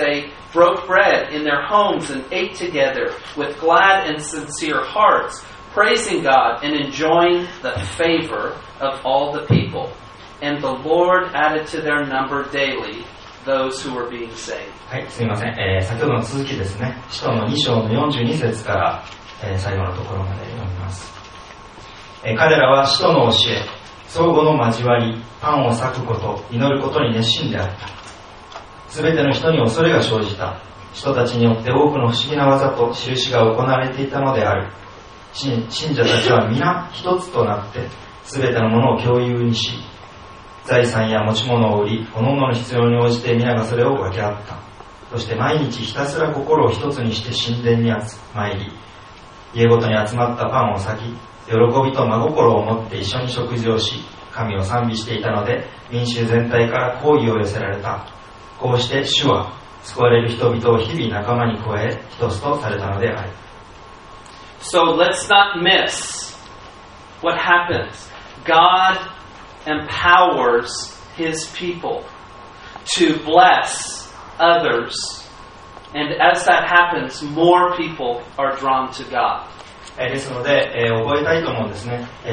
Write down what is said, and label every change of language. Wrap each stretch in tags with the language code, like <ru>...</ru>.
<en>They broke bread in their homes and ate together with glad and sincere hearts, praising God and enjoying the favor of all the people. And the Lord added to their number daily those who were being saved.</en> <ja>はい、すみません。先ほどの続きですね。使徒の2章の42節から、最後のところまで読みます。彼らは使徒の教え、相互の交わり、パンを割くこと、祈ることに熱心であった。すべての人に恐れが生じた。人たちによって多くの不思議な技と印が行われていたのである。信者たちは皆一つとなって全てのものを共有にし、財産や持ち物を売り、各々の必要に応じて皆がそれを分け合った。そして毎日ひたすら心を一つにして神殿に参り、家ごとに集まったパンを裂き、喜びと真心を持って一緒に食事をし、神を賛美していたので、民衆全体から好意を寄せられた。こうして主は救われる人々を日々仲間に加え、一つとされたのである。</ja> <en>So let's not miss what happens. God empowers his people to bless others, and as that happens, more people are drawn to God.</en> <ja>ですので、覚えたいと思うんですね。</ja>